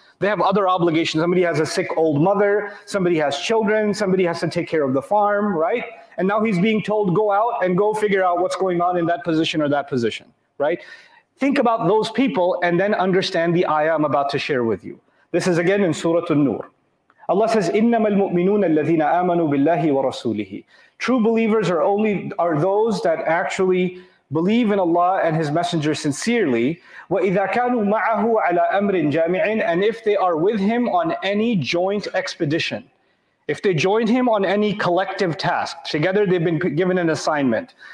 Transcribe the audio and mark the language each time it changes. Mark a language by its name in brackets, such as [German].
[English] They have other obligations. Somebody has a sick old mother, somebody has children, somebody has to take care of the farm, right? And now he's being told, go out and go figure out what's going on in that position, right? Think about those people and then understand the ayah I'm about to share with you. This is again in Surah An-Nur. Allah says, [Arabic] إِنَّمَا الْمُؤْمِنُونَ الَّذِينَ آمَنُوا بِاللَّهِ وَرَسُولِهِ. [English] True believers are those that actually believe in Allah and His Messenger sincerely. [Arabic] وَإِذَا كَانُوا مَعَهُ عَلَىٰ أَمْرٍ جَامِعٍ. [English] And if they are with Him on any joint expedition, if they join Him on any collective task, together they've been given an assignment.